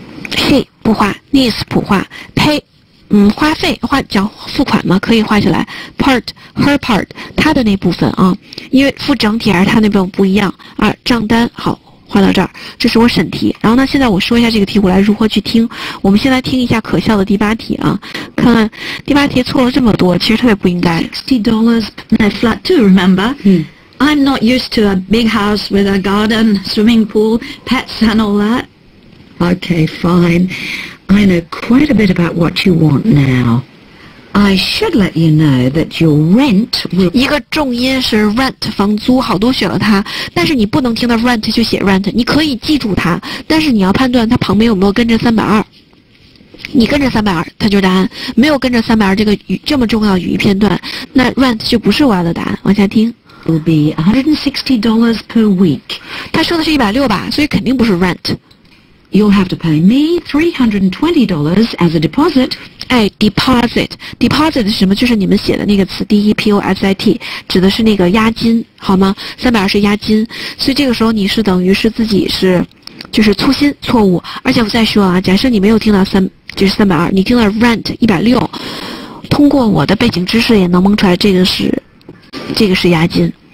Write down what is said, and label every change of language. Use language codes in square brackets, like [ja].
[zh] pay 不花 ，needs 不花 ，pay 花费花叫付款嘛，可以画下来 ， [en] part her part [zh] 她的那部分啊，因为付整体还是她那部分不一样啊，账单好。画到这儿，这是我审题。然后呢，现在我说一下这个题，我来如何去听。我们先来听一下可笑的第八题啊，看看第八题错了这么多，其实特别不应该。 [en] $60 my flat too, remember?、嗯、 I'm not used to a big house with a garden, swimming pool, pets and all that. Okay, fine. I know quite a bit about what you want now. I should let you know that your rent will... [zh] 一个重音是 rent 房租，好多选了它，但是你不能听到 rent 就写 rent， 你可以记住它，但是你要判断它旁边有没有跟着320，你跟着320它就是答案，没有跟着320这个语这么重要语义片段，那 rent 就不是我要的答案。往下听。 [en] Will be $160 per week. [zh] 他说的是160吧，所以肯定不是 rent。 [en] You'll have to pay me $320 as a deposit. [zh] 哎 ，deposit，deposit deposit 是什么？就是你们写的那个词 ，deposit， 指的是那个押金，好吗？ 320是押金，所以这个时候你是等于是自己是，就是粗心错误。而且我再说啊，假设你没有听到三，就是320，你听到 rent 160，通过我的背景知识也能蒙出来，这个是押金。